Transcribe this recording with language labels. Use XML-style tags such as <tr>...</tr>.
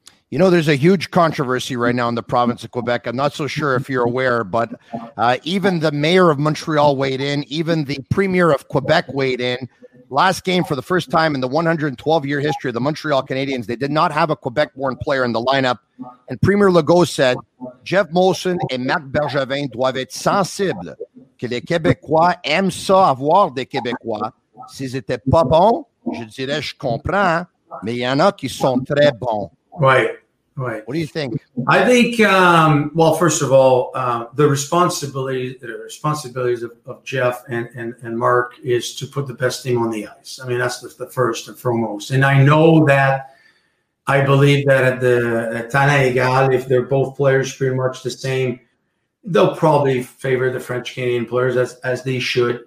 <en>You know, there's a huge controversy right now in the province of Quebec. I'm not so sure if you're aware, but even the mayor of Montreal weighed in. Even the premier of Quebec weighed in. Last game, for the first time in the 112-year history of the Montreal Canadiens, they did not have a Quebec-born player in the lineup. And Premier Legault said,</en> <fr>Jeff Molson et Marc Bergevin doivent être sensibles que les Québécois aiment ça avoir des Québécois. S'ils étaient pas bons, je dirais, je comprends, mais il y en a qui sont très bons.</fr> <en>Right, right. What do you think? I think, first of all, the responsibilities of Jeff and Mark is to put the best team on the ice. I mean, that's the first and foremost. And I know that I believe that at the</en> <fr>talent égal,</fr> <en>if they're both players pretty much the same, they'll probably favor the French Canadian players as they should.</en>